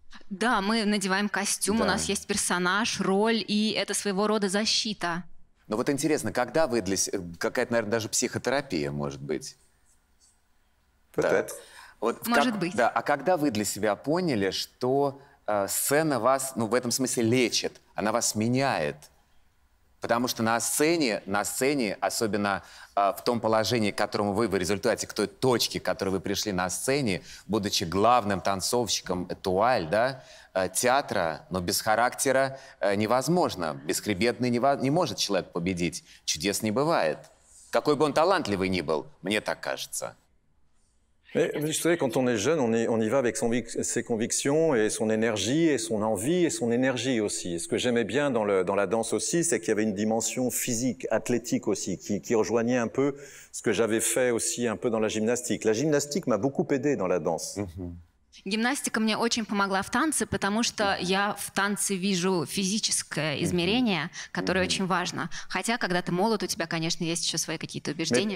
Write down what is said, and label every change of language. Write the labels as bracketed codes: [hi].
[ru] Да, мы надеваем костюм, да. У нас есть персонаж, роль, и это своего рода защита. Но вот интересно, когда вы для себя, какая-то, наверное, даже психотерапия, может быть? [fr] Peut-être. [ru] Да. Вот может быть. Да, а когда вы для себя поняли, что сцена вас, ну, в этом смысле, лечит, она вас меняет. Потому что на сцене, особенно в том положении, к которому вы в результате, к той точке, к которой вы пришли на сцене, будучи главным танцовщиком этуаль, да, театра, но без характера невозможно. Бесхребетный не может человек победить. Чудес не бывает. Какой бы он талантливый ни был, мне так кажется. [fr] Mais vous savez, quand on est jeune, on y va avec ses convictions et son énergie et son envie et son énergie aussi. Et ce que j'aimais bien dans la danse aussi, c'est qu'il y avait une dimension physique, athlétique aussi, qui rejoignait un peu ce que j'avais fait aussi un peu dans la gymnastique. La gymnastique m'a beaucoup aidé dans la danse. [ru] Гимнастика мне очень помогла в танце, потому что я в танце вижу физическое измерение, которое очень важно. Хотя, когда ты молод, у тебя, конечно, есть еще свои какие-то убеждения.